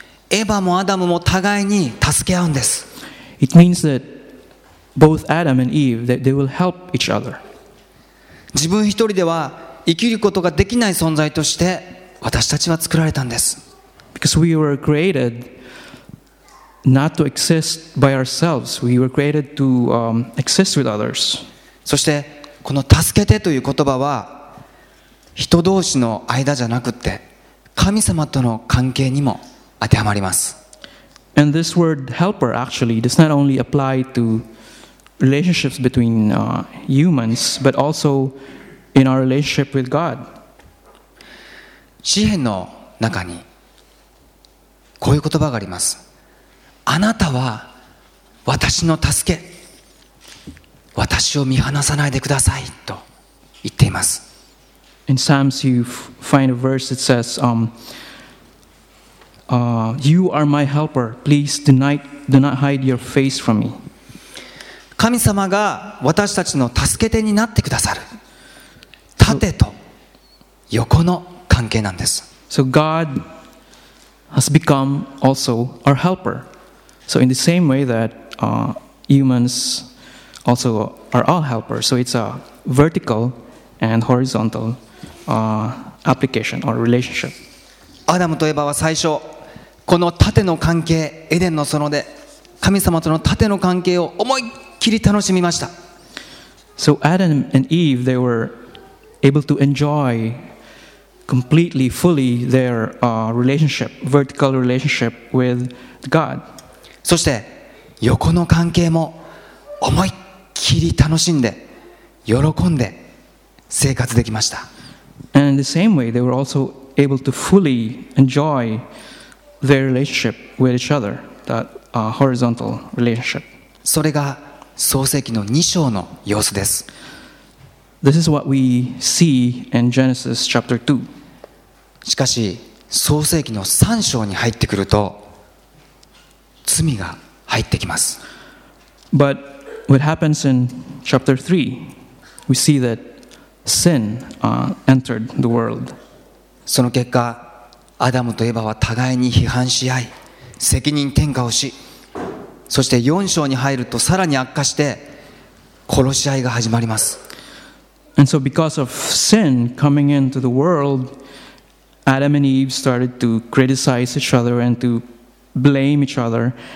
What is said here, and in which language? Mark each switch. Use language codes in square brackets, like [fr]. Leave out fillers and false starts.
[ja] エヴァもアダムも互いに助け合うんです。 [en] It means that both Adam and Eve, that they will help each other. [ja] 自分一人では生きることができない存在として私たちは作られたんです。 [en] Because we were created not to exist by ourselves. We were created to exist with others. [ja] そしてこの助けてという言葉は人同士の間じゃなくて神様との関係にも当てはまります。 [en] And this word helper actually does not only apply to relationships between humans, but also in our relationship with God. [ja] 詩篇の中にこういう言葉があります。あなたは私の助け、私を見放さないでくださいと言っています。 [en] In Psalms, you find a verse that says, "You are my helper. Please do not hide your face from me." [ja] 神様が私たちの助け手になってくださる。縦と横の関係なんです。 [en] So God has become also our helper. So in the same way that humans also are all helpers. So it's a vertical and horizontal. Application or relationship. [ja] アダムとエヴァは最初この縦の関係、エデンの園で神様との縦の関係を思いっきり楽しみました。 [en] So Adam and Eve, they were able to enjoy completely, fully their relationship, vertical relationship with God. [ja] そして横の関係も思いっきり楽しんで喜んで生活できました。 [en] And in the same way, they were also able to fully enjoy their relationship with each other, that horizontal relationship. [ja] それが創世記の2章の様子です。 [en] This is what we see in Genesis chapter 2. [ja] しかし、創世記の3章に入ってくると、罪が入ってきます。 [en] But what happens in chapter 3, we see thatSin entered the world. [ja] その結果、アダムとエヴァは互いに批判し合い、責任転嫁をし、そして4章に入るとさらに悪化して、殺し合いが始まります。 [en] And so because of sin coming into the world, Adam and Eve started to criticize each other and to blame each other.